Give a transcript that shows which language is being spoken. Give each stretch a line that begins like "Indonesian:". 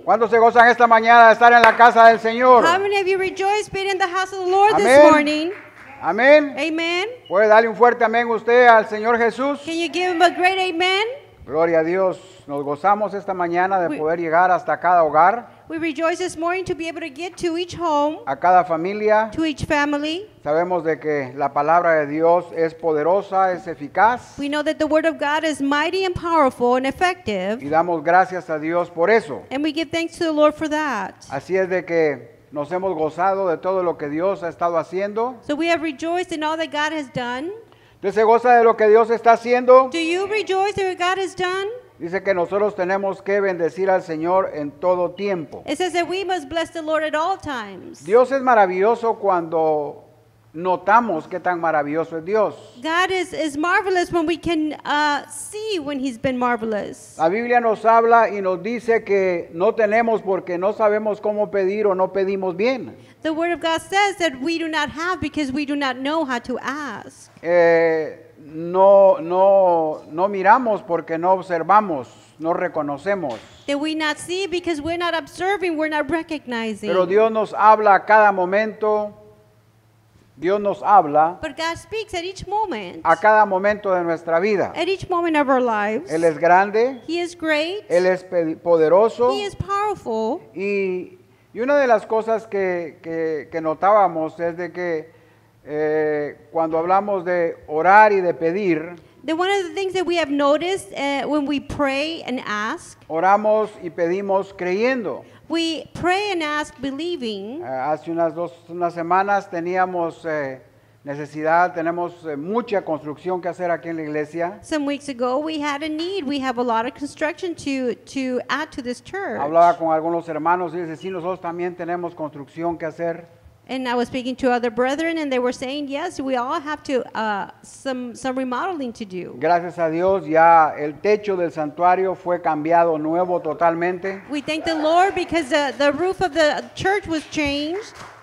Spanish: ¿Cuántos se gozan esta mañana de estar en la casa del Señor?
English: How many of you rejoice being in the house of the Lord amén. This morning?
Spanish: Amén.
English: Amen.
Spanish: ¿Puede darle un fuerte amén usted al Señor Jesús?
English: Can you give him a great amen?
Spanish: Gloria a Dios. Nos gozamos esta mañana de poder llegar hasta cada hogar.
English: We rejoice this morning to be able to get to each home.
Spanish: A cada familia.
English: To each family.
Spanish: Sabemos de que la palabra de Dios es poderosa, es eficaz.
English: We know that the word of God is mighty and powerful and effective.
Spanish: Y damos gracias a Dios por eso.
English: And we give thanks to the Lord for that.
Spanish: Así es de que nos hemos gozado de todo lo que Dios ha estado haciendo.
English: So we have rejoiced in all that God has done.
Spanish: ¿Usted se goza de lo que Dios está haciendo?
English: Do you rejoice in what God has done?
Spanish: Dice que nosotros tenemos que bendecir al Señor en todo tiempo.
English: It says that we must bless the Lord at all times.
Spanish: Dios es maravilloso cuando notamos qué tan maravilloso es Dios.
English: God is marvelous when we can see when he's been marvelous.
Spanish: La Biblia nos habla y nos dice que no tenemos porque no sabemos cómo pedir o no pedimos bien.
English: The word of God says that we do not have because we do not know how to ask.
Spanish: No miramos porque no observamos, no reconocemos.
English: That we not see because we're not observing, we're not recognizing.
Spanish: Pero Dios nos habla a cada momento. Dios nos habla.
English: But God speaks at each moment.
Spanish: A cada momento de nuestra vida.
English: At each moment of our lives.
Spanish: Él es grande.
English: He is great.
Spanish: Él es poderoso.
English: He is powerful.
Spanish: Y una de las cosas que notábamos es de que cuando hablamos de orar y de pedir,
English: then one of the things that we have noticed when we pray and ask,
Spanish: oramos y pedimos creyendo.
English: We pray and ask believing.
Spanish: Hace unas semanas teníamos necesidad, tenemos mucha construcción que hacer aquí en la iglesia.
English: Some weeks ago we had a need. We have a lot of construction to add to this church.
Spanish: Hablaba con algunos hermanos y dice, sí, nosotros también tenemos construcción que hacer.
English: And I was speaking to other brethren and they were saying, yes, we all have to some remodeling to do.
Spanish: Gracias a Dios, ya el techo del santuario fue cambiado nuevo totalmente.
English: We thank the Lord because the roof of the church was changed.